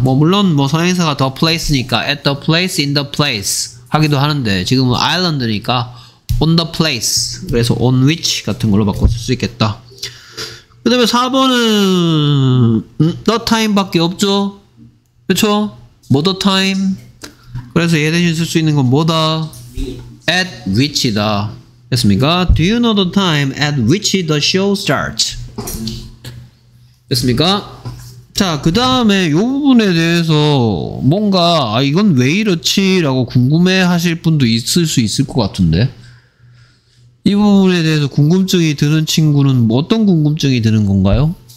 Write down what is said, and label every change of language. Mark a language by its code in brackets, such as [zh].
[ko] 뭐 물론 뭐 선행사가 the place니까 at the place, in the place 하기도 하는데 지금은 아일랜드니까 on the place 그래서 on which 같은 걸로 바꿔 쓸 수 있겠다. 그 다음에 4번은 the time밖에 없죠. 그쵸? [en] What a time? [ko] 그래서 얘 대신 쓸 수 있는 건 뭐다? At which다. 됐습니까? [en] Do you know the time at which the show starts? [ko] 됐습니까? 자, 그 다음에 요 부분에 대해서 뭔가 아 이건 왜 이렇지? 라고 궁금해 하실 분도 있을 수 있을 것 같은데 이 부분에 대해서 궁금증이 드는 친구는 뭐 어떤 궁금증이 드는 건가요?